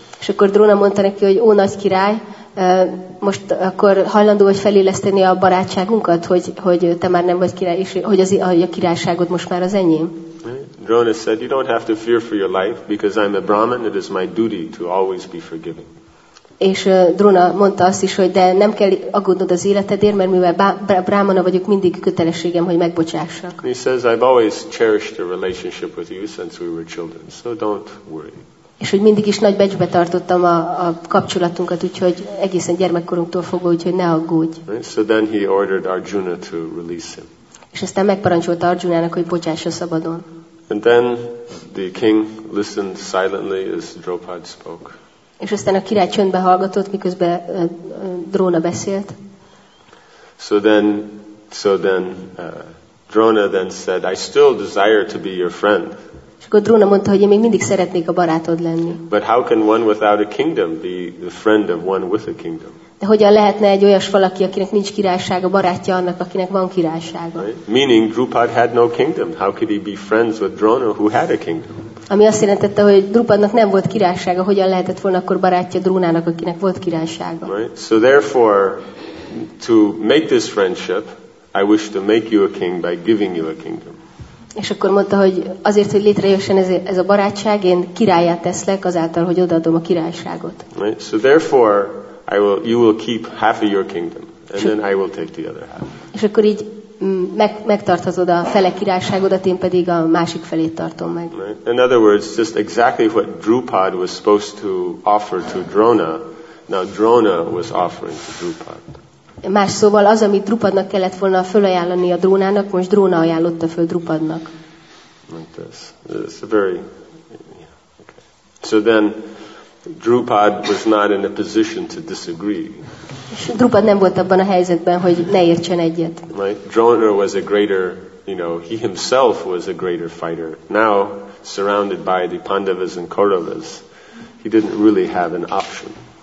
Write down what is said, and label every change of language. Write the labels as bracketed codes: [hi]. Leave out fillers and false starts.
[hu] És akkor Dróna mondta neki, hogy ó nagy király, most akkor hajlandó vagy feléleszteni a barátságunkat, hogy te már nem vagy király, és hogy a királyságod most már az enyém. [en] Drona said, "You don't have to fear for your life, because I'm a Brahmin, it is my duty to always be forgiving." [hu] És Drona mondta azt is, hogy de nem kell aggódnod az életedért, mert mivel brahmana vagyok, mindig kötelességem, hogy megbocsássak. [en] He says, "I've always cherished a relationship with you since we were children, so don't worry." [hu] És hogy mindig is nagy becsbe tartottam a kapcsolatunkat, úgyhogy egészen gyermekkorunktól fogva, úgyhogy ne aggódj. [en] So then he ordered Arjuna to release him. [hu] És aztán megparancsolta Arjunának, hogy bocsássa szabadon. [en] And then the king listened silently as Draupad spoke. [hu] És aztán a király csöndbe hallgatott, miközben Dróna beszélt. [en] So then So then Drona then said, I still desire to be your friend. [hu] És akkor Drona mondta, hogy én még mindig szeretnék a barátod lenni. [en] But how can one without a kingdom be the friend of one with a kingdom? [hu] De hogyan lehetne egy olyas valaki, akinek nincs királysága, barátja annak, akinek van királysága? [en] Right? Meaning Drupad had no kingdom. How could he be friends with Drona who had a kingdom? [hu] Ami azt jelentette, hogy Drupadnak nem volt királysága, hogyan lehetett volna akkor barátja Drónának, akinek volt királysága? [en] Right? So therefore, to make this friendship, I wish to make you a king by giving you a kingdom. [hu] És akkor mondta, hogy azért, hogy létrejössen ez a barátság, én királyát teszlek azáltal, hogy odaadom a királyságot. [en] Right? So therefore, you will keep half of your kingdom, and then I will take the other half. [hu] És akkor így megtartozod a fele királyságodat, én pedig a másik felét tartom meg. [en] Right? In other words, just exactly what Drupad was supposed to offer to Drona, now Drona was offering to Drupad. [hu] Más szóval az, amit Drupadnak kellett volna fölajánlani a Drónának, most Dróna ajánlotta föl Drupadnak. [en] Like this. It's a very... Yeah. Okay. So then Drupad was not in a position to disagree. [hu] Drupad nem volt abban a helyzetben, hogy ne értsen egyet. [en] Like Drona was a greater, you know, he himself was a greater fighter. Now, surrounded by the Pandavas and Kauravas, he didn't really have an option.